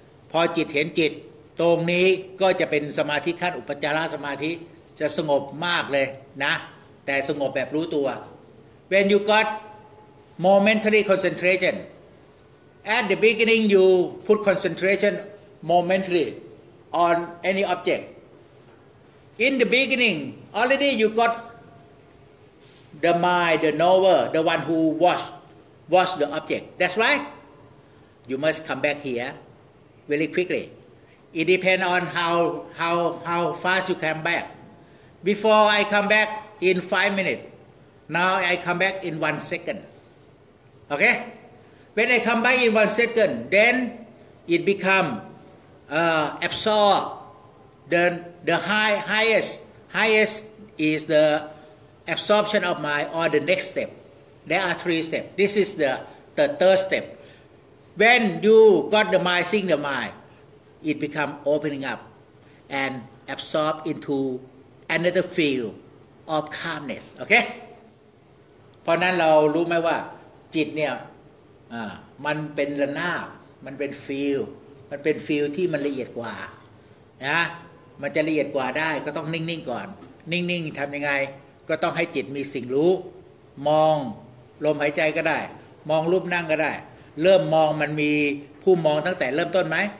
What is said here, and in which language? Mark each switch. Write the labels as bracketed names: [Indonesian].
[Thai] พอจิตเห็นจิตตรงนี้ก็จะเป็นสมาธิขั้นอุปจารสมาธิจะสงบมากเลยนะแต่สงบแบบรู้ตัว [English] When you got momentary concentration at the beginning you put concentration momentary on any objectIn the beginning, already you got the mind, the knower, the one who watch the object. That's right. You must come back here really quickly. It depends on how fast you come back. Before I come back in 5 minutes. Now I come back in 1 second. Okay? When I come back in 1 second, then it become absorb then. The highest is the absorption of mind or the next step. There are 3 steps. This is the third step. When you got the mind, seeing the mind, it become opening up and absorb into another field of calmness. [Thai] Okay? เพราะนั้นเรารู้ไหมว่าจิตเนี่ยมันเป็นระนาบมันเป็นฟิลที่มันละเอียดกว่า นะมันจะละเอียดกว่าได้ก็ต้องนิ่งๆก่อนนิ่งๆทำยังไงก็ต้องให้จิตมีสิ่งรู้มองลมหายใจก็ได้มองรูปนั่งก็ได้เริ่มมองมันมีผู้มองตั้งแต่เริ่มต้นไหม